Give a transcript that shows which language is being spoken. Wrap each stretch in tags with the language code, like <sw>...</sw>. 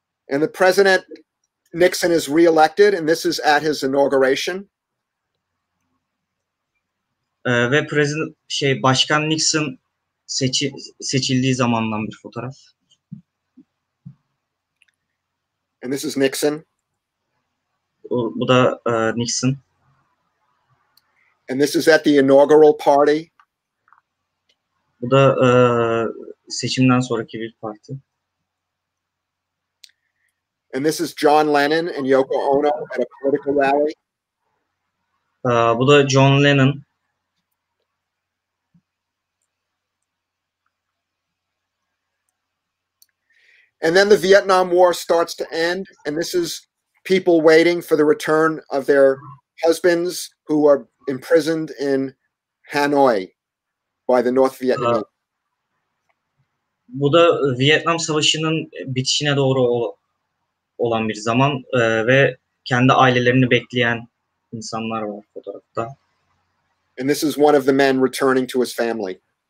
<en>And the president Nixon is reelected, and this is at his inauguration.</en> <tr>Ve president başkan Nixon seçildiği zamandan bir fotoğraf.</tr> <en>And this is Nixon.</en> <tr>Bu da Nixon.</tr> <en>And this is at the inaugural party.</en> <tr>Bu da seçimden sonraki bir parti.</tr> <en>And this is John Lennon and Yoko Ono at a political rally.</en> <tr>Bu da John Lennon.</tr> <en>And then the Vietnam War starts to end, and this is people waiting for the return of their husbands who are imprisoned in Hanoi by the North Vietnamese.</en> <tr>Bu da Vietnam Savaşı'nın bitişine doğru olan bir zaman ve kendi ailelerini bekleyen insanlar var fotoğrafta.</tr> <en>And this is one of the men returning to his family.</en>